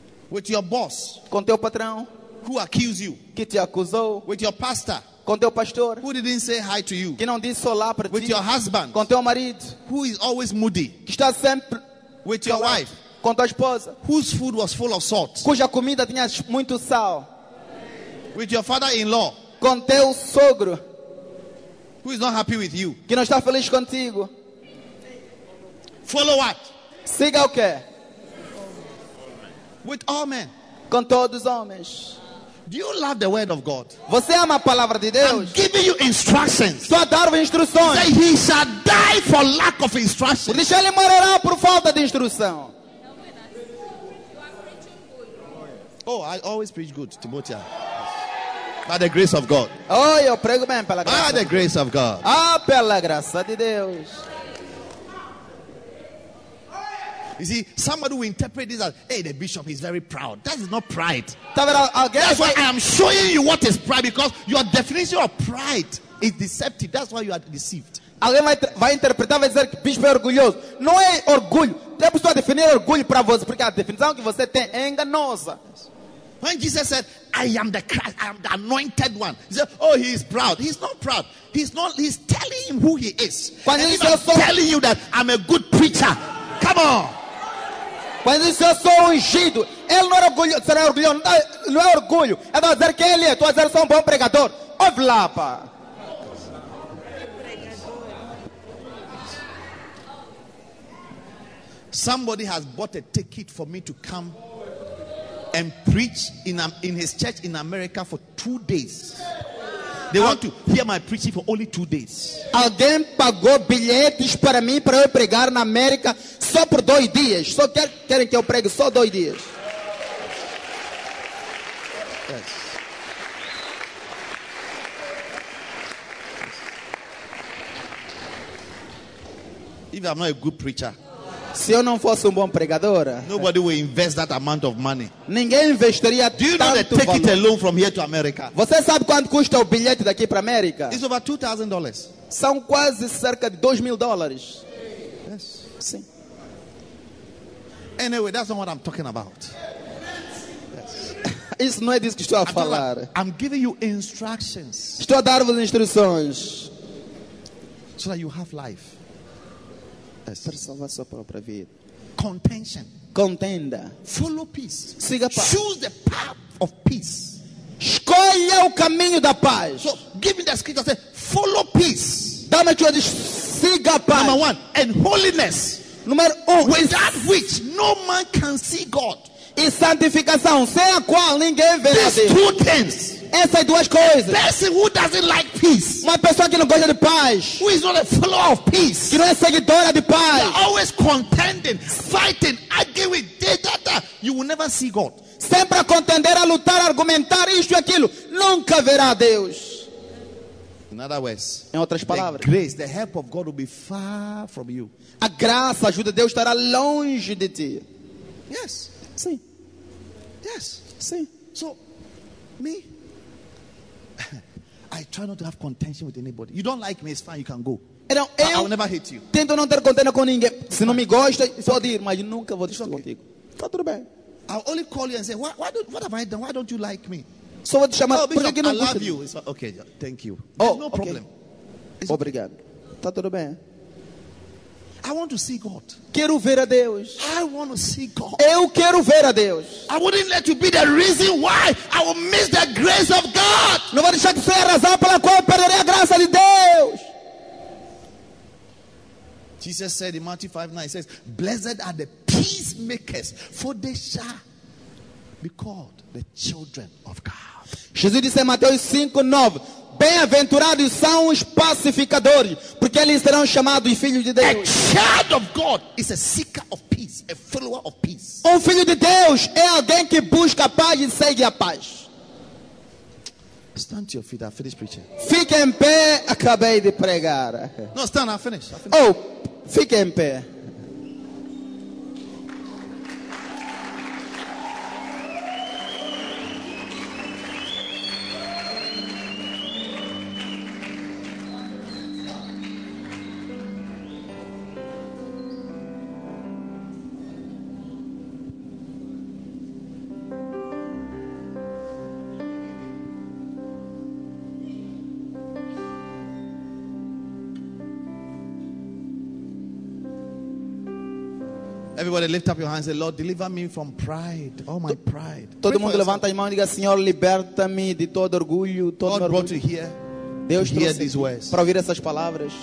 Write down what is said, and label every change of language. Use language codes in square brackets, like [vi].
[en] With your boss, [pt] com teu patrão, [en] who accused you, [pt] que te acusou, [en] with your pastor, [pt] com teu pastor, [en] who didn't say hi to you, [pt] que não disse olá para [en] with [pt] ti, [en] your husband, [pt] com teu marido, [en] who is always moody, [pt] que está sempre [en] with [pt] calado, [en] your wife, [pt] com tua esposa, [en] whose food was full of salt, [pt] cuja comida tinha muito sal, [en] with your father-in-law, [pt] com teu sogro, [en] who is not happy with you, [pt] que não está feliz contigo. [en] Follow what? [pt] Siga o quê? [en] With all men. [pt] Com todos os homens. [en] Do you love the word of God? [pt] Você ama a palavra de Deus? [en] I'm giving you instructions. [pt] Estou a dar-vos instruções. [en] Say he shall die for lack of instructions. [pt] Porque ele morrerá por falta de instrução. [en] Oh, I always preach good, Timothy. By the grace of God. [pt] Oh, eu prego bem pela graça. [en] By the grace of God. [pt] Ah, pela graça de Deus. [en] You see, somebody will interpret this as, hey, the bishop is very proud. That is not pride. That's why I am showing you what is pride, because your definition of pride is deceptive. That's why you are deceived. [pt] Alguém vai interpretar, vai dizer que o bispo é orgulhoso. Não é orgulho. Eu estou a definir orgulho para você, porque a definição que você tem é enganosa. [en] When Jesus said, I am the Christ, I am the anointed one. He said, oh, he is proud. He's not proud. He's telling him who he is. [pt] Quando [en] he's not telling you that I'm a good preacher. Come on. [pt] Quando disse, eu sou ungido, ele não era orgulho, será orgulho, não é orgulho, é para dizer quem ele é, tu vai dizer, sou um bom pregador, ouve lá, pá. [en] Somebody has bought a ticket for me to come and preach in his church in America for 2 days. They want to hear my preaching for only 2 days. [pt] Alguém pagou bilhetes para mim para eu pregar na América só por 2 dias. Só querem que eu pregue só 2 dias. [en] Yes. If I'm not a good preacher, [pt] se eu não fosse bom pregador, [en] nobody will invest that amount of money. [pt] Ninguém investiria tanto. [en] Do you know the ticket alone from here to America? [pt] Você sabe quanto custa o bilhete daqui para América? [en] It's over $2,000. [pt] São quase cerca de $2,000. [en] Yes. [pt] Sim. [en] Anyway, that's not what I'm talking about. Yes. [pt] Isso não é disso que estou a falar. [en] I'm giving you instructions. [pt] Estou a dar-vos instruções. [en] So that you have life. [pt] Para salvar sua própria vida. [en] Contention. [pt] Contenda. [en] Follow peace. [pt] Siga paz. [en] Choose the path of peace. [pt] Escolha o caminho da paz. [en] So give me the scripture. Say, follow peace. [pt] Dá-me tua diz, siga paz. [en] Number one, and holiness. [pt] Número um. [en] Without which no man can see God. [pt] E santificação, sem a qual ninguém vê a Deus. [en] These two things. [pt] Essas duas coisas. [en] A person who doesn't like peace. [pt] Uma pessoa que não gosta de paz. [en] Who is not a follower of peace. [pt] Que não é seguidora de paz. [en] You are always contending, fighting, arguing with data. You will never see God. [pt] Sempre a contender, a lutar, a argumentar isto e aquilo. Nunca verá Deus. [en] In other words, [pt] em outras palavras, [en] the grace, the help of God will be far from you. [pt] A graça, a ajuda de Deus estará longe de ti. [en] Yes. [pt] Sim. [en] Yes. [pt] Sim. [en] So, me. I try not to have contention with anybody. You don't like me, it's fine, you can go. [pt] Então, [en] I will never hate you. [pt] Tento não ter contenda com ninguém. Se não me gosta, pode ir, mas nunca vou discutir contigo. Tá tudo bem. [en] I'll only call you and say, what have I done? Why don't you like me? [pt] Só vou te chamar. [en] Oh, bishop, I love you. It's, okay, thank you. Oh, no problem. Okay. [pt] Obrigado. Tá tudo bem. [en] I want to see God. [pt] Quero ver a Deus. [en] I want to see God. [pt] Eu quero ver a Deus. [en] I wouldn't let you be the reason why I will miss the grace of God. [pt] Não vou deixar que seja a razão pela qual eu perderei a graça de Deus. [en] Jesus said in Matthew 5:9, he says, blessed are the peacemakers, for they shall be called the children of God. [pt] Jesus disse em Mateus 5:9, bem-aventurados são os pacificadores, porque eles serão chamados filhos de Deus. [en] A child of God is a seeker of peace, a follower of peace. [pt] Um filho de Deus é alguém que busca a paz e segue a paz. [en] Stand to your feet, I'll finish preaching. [pt] Fique em pé, acabei de pregar. [en] No, stand, I'll finish. [pt] Oh, fique em pé. [en] Everybody lift up your hands and say, Lord, deliver me from pride. Oh, my pride. [pt] Todo mundo levanta a mão e diga, Senhor, liberta-me de todo orgulho. [en] God brought you here. [pt] Deus [en] to hear these words. [pt] Para ouvir essas palavras.